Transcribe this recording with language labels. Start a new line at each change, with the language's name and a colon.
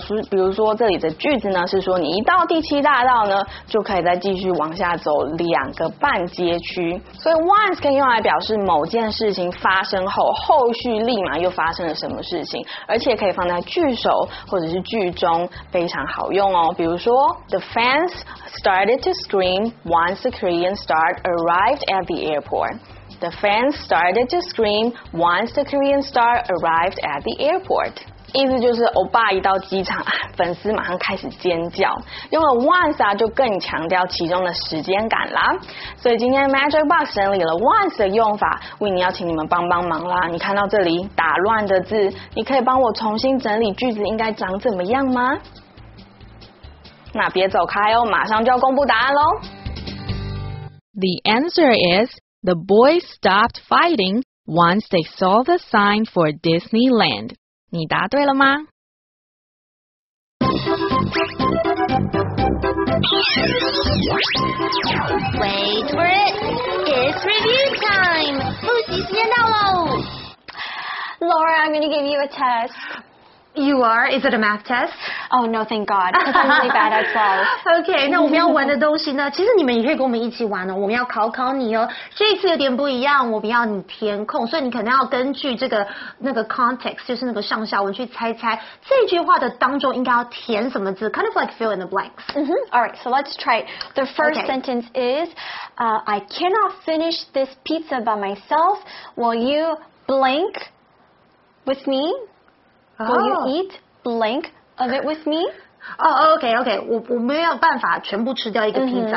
Chinese: 比如说这里的句子呢，是说你一到第七大道呢，就可以再继续往下走两个半街区。所以 once 可以用来表示某件事情发生后，后续立马又发生了什么事情，而且可以放在句首或者是句中，非常好用哦。比如说
English: ，The fans started to scream once the Korean star arrived at the airport。 The fans started to scream once the Korean star arrived at the airport.
Chinese: 意思就是欧巴一到机场，粉丝马上开始尖叫。用了 once 啊，就更强调其中的时间感啦。所以今天 Magic Box 整理了 once 的用法，维尼要请你们帮帮忙啦。你看到这里打乱的字，你可以帮我重新整理句子应该长怎么样吗？那别走开哦，马上就要公布答案喽。
English: The answer is the boys stopped fighting once they saw the sign for Disneyland.
Chinese: 你答对了吗？
English: Wait for it! It's review time!
Chinese: 复习时间到喽
English: ！Laura, I'm going to give you a test. You are? Is it a math test? Oh, no, thank God. Because I'm really bad at those.
Chinese: Okay, 那我们要玩的东西呢？其实你们也可以跟我们一起玩哦。我们要考考你哦。这次有点不一样，我们要你填空，所以你可能要根据这个那个 context， 就是那个上下文去猜猜这句话的当中应该要填什么字。
English: Kind of like fill in the blanks. Mm-hmm. All right, so let's try it. The first、okay. sentence is,、I cannot finish this pizza by myself. Will you blank with me? Will you eat blank of it with me? Oh, okay, okay.
Chinese: 我没有办法全部吃掉一个披萨。